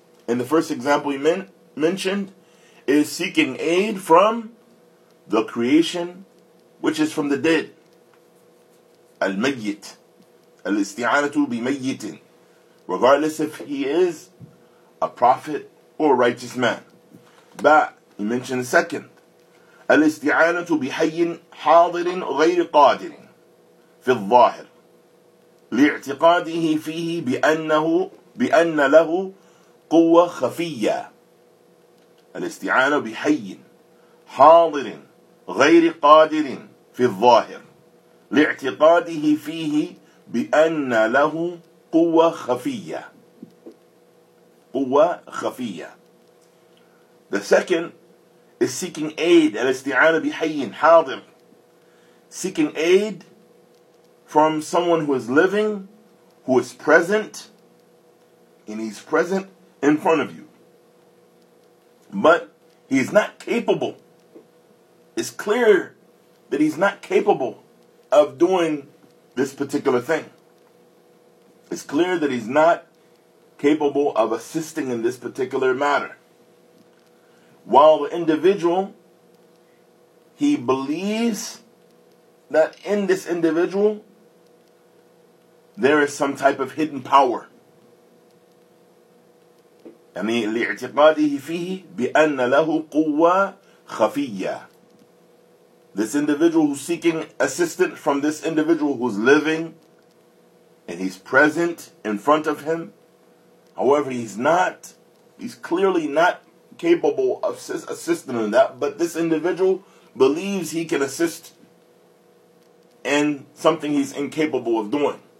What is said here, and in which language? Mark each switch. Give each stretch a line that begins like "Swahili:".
English: And the first example he mentioned is seeking aid from the creation, which is from the dead.
Arabic: الميت الاستعانة بميت.
English: Regardless if he is a prophet or a righteous man. But he mentioned the second.
Arabic: الاستعانة بحي حاضر غير قادر في الظاهر لاعتقاده فيه بأن له قوة خفية. الاستعانة بحي حاضر غير قادر في الظاهر لاعتقاده فيه بأن له قوة خفية. قوة خفية.
English: The second is seeking aid.
Arabic: الاستعانة بحي حاضر.
English: Seeking aid from someone who is living, who is present, and he's present in front of you. But he's not capable. It's clear that he's not capable of doing this particular thing. It's clear that he's not capable of assisting in this particular matter. While the individual, he believes that in this individual, there is some type of hidden power.
Arabic: يعني لاعتقاده فيه بأن له قوة خفية.
English: This individual who's seeking assistance from this individual who's living, and he's present in front of him. However, he's clearly not capable of assisting in that. But this individual believes he can assist in something he's incapable of doing.